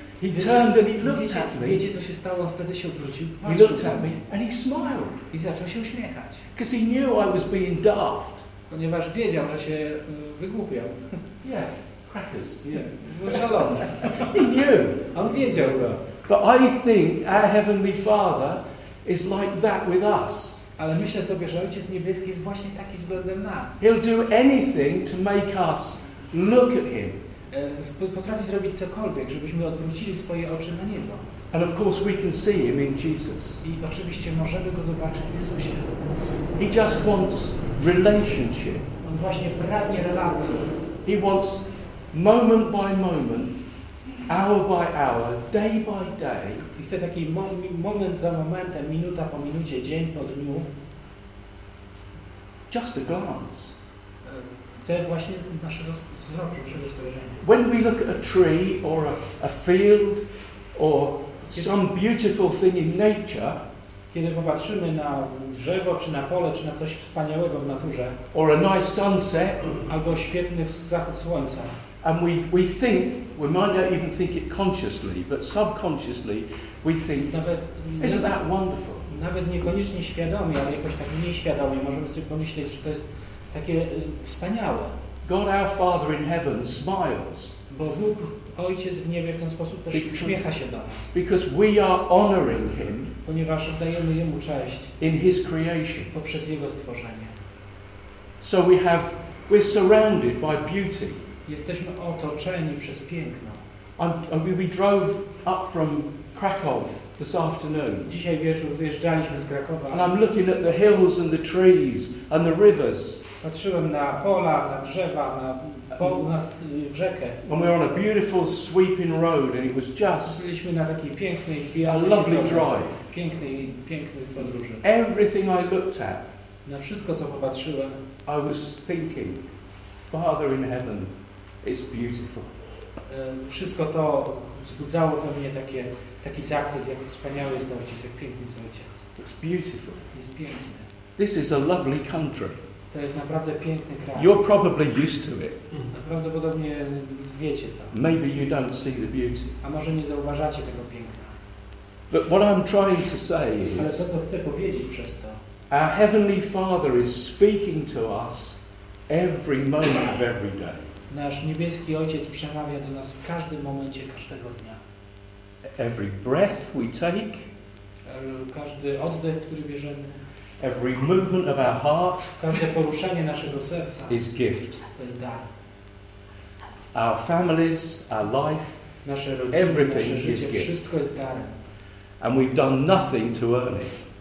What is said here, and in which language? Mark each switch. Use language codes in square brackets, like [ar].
[en] He turned and he looked at me. [pl] Wiecie, co się stało? Wtedy się odwrócił. [en] He looked at me and he smiled. [pl] I zaczął się uśmiechać. [en] Because he knew I was being daft. [pl] Ponieważ wiedział, że się wygłupiał. [en] Yeah. Yes. He knew. [pl] On wiedział to. [en] But I think our Heavenly Father is like that with us. [pl] Ale myślę sobie, że Ojciec Niebieski jest właśnie taki względem nas. [en] He'll do anything to make us look at Him. [pl] Potrafi zrobić cokolwiek, żebyśmy odwrócili swoje oczy na Niego. [en] And of course we can see Him in Jesus. [pl] I oczywiście możemy Go zobaczyć w Jezusie. [en] He just wants relationship. [pl] On właśnie pragnie relacji. [en] He wants moment by moment, hour by hour, day by day. [pl] I chcę taki moment za momentem, minuta po minucie, dzień po dniu. [en] Just a glance. [pl] Chcę właśnie nasze spojrzenie. [en] When we look at a tree or a field or [pl] kiedy, [en] some beautiful thing in nature. [pl] Kiedy popatrzymy na drzewo, czy na pole, czy na coś wspaniałego w naturze. [en] Or a nice sunset. [pl] Albo świetny zachód słońca. [en] And we think, we might not even think it consciously, but subconsciously we think, [pl] nawet, [en] isn't that wonderful? [pl] Nawet niekoniecznie świadomie, ale jakoś tak mniej świadomie możemy sobie pomyśleć, że to jest takie wspaniałe. [en] God our Father in heaven smiles. [pl] Bo Bóg Ojciec w niebie w ten sposób też uśmiecha się do nas. [en] Because we are honoring Him, [pl] ponieważ oddajemy Jemu cześć [en] in His creation. [pl] Poprzez Jego stworzenie. [en] So we're surrounded by beauty. [pl] Jesteśmy otoczeni przez piękno. [en] We drove up from Krakow this afternoon. [pl] Dzisiaj wieczór wyjeżdżaliśmy z Krakowa. [en] And I'm looking at the hills and the trees and the rivers. [pl] Patrzyłem na pola, na drzewa, na rzekę. [en] And we were on a beautiful sweeping road and it was just [pl] byliśmy na takiej pięknej, [en] a lovely drive. [pl] Piękny podróży. [en] Everything I looked at, [pl] na wszystko co popatrzyłem, [en] I was thinking, Father in heaven, it's beautiful. [pl] Wszystko to wzbudzało we mnie taki zachwyt, jak wspaniały jest Ojciec, jak piękny jest Ojciec. [en] It's beautiful. [pl] Jest piękne. [en] This is a lovely country. [pl] To jest naprawdę piękny kraj. [en] You're probably used to it. [pl] Prawdopodobnie wiecie to. [en] Maybe you don't see the beauty. [pl] A może nie zauważacie tego piękna. [en] But what I'm trying to say is, [pl] ale to, co chcę powiedzieć przez to, [en] our Heavenly Father is speaking to us every moment of every day. [pl] Nasz niebieski Ojciec przemawia do nas w każdym momencie każdego dnia. [en] Every breath we take, [pl] każdy oddech, który bierzemy, [en] every movement of our heart, [pl] każde poruszenie naszego serca, [en] is gift. [pl] To jest dar. [en] Our families, our life, [pl] nasze rodziny, [en] everything [pl] nasze życie, is gift. Wszystko jest darem. [en] And we've done nothing to earn it.